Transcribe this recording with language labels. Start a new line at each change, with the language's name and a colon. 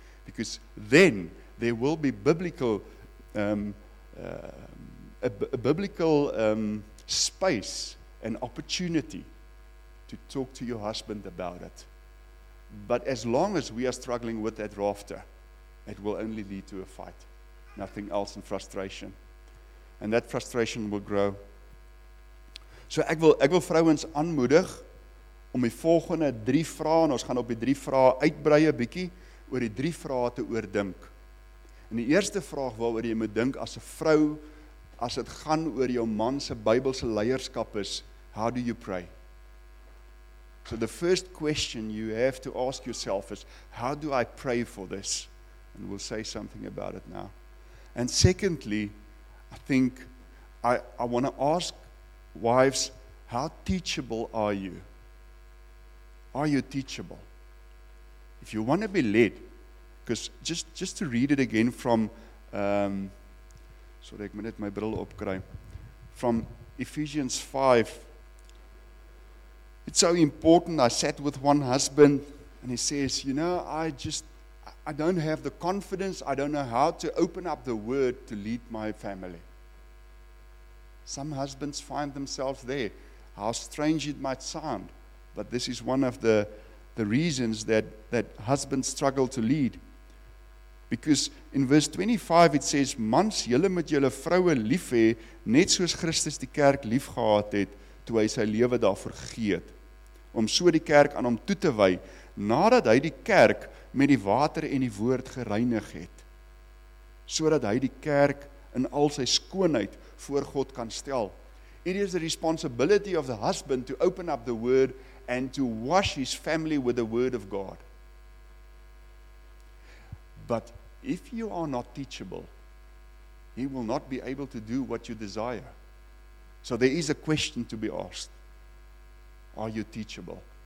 English: Because then there will be biblical space and opportunity to talk to your husband about it. But as long as we are struggling with that rafter, it will only lead to a fight, nothing else than frustration. And that frustration will grow.
Afrikaans: So ek wil vrouens aanmoedig om die volgende drie vrae, en ons gaan op die drie vrae uitbrei 'n bietjie, oor die drie vrae te oordink. En die eerste vraag waaroor jy moet dink as 'n vrou, as dit gaan oor jou man se Bybelse leierskap is,
English: how do you pray? So the first question you have to ask yourself is, how do I pray for this? And we'll say something about it now. And secondly, I think I want to ask wives, how teachable are you? Are you teachable? If you want to be led, because just to read it again from, sorry,
Afrikaans: ek moet net my bril opkry,
English: from Ephesians 5, it's so important. I sat with one husband and he says, you know, I don't have the confidence. I don't know how to open up the word to lead my family. Some husbands find themselves there. How strange it might sound, but this is one of the reasons that husbands struggle to lead. Because in verse 25 it says,
Afrikaans: mans, julle moet julle vroue lief hê, net soos Christus die kerk lief gehad het, toe hy sy lewe daarvoor gegee het, om so die kerk aan hom toe te wy, nadat hy die kerk met die water en die woord gereinig het, sodat hy die kerk in al sy skoonheid voor God kan stel.
English: It is the responsibility of the husband to open up the word and to wash his family with the word of God. But if you are not teachable, he will not be able to do what you desire. So there is a question to be asked. Are you teachable?